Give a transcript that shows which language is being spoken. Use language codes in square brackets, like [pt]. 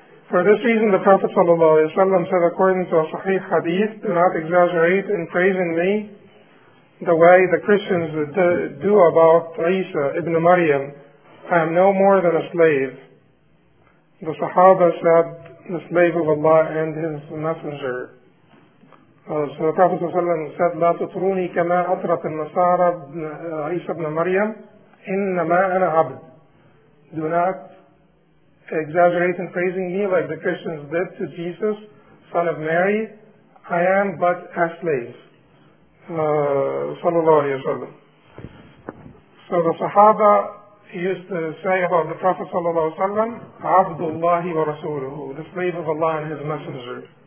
[en] For this reason, the Prophet ﷺ said, according to a sahih hadith, do not exaggerate in praising me the way the Christians do about Isa ibn Maryam. I am no more than a slave. The Sahaba said, the slave of Allah and his messenger. So the Prophet ﷺ said, [ar] لا تطروني كما أطرت النصارى عيسى بن مريم إنما أنا عبد. [en] Do not exaggerate in praising me like the Christians did to Jesus, son of Mary. I am but a slave. [ar] صلى الله عليه وسلم. [en] So the Sahaba used to say about the Prophet صلى الله عليه وسلم, [ar] عبد الله ورسوله, [en] the slave of Allah and his messenger.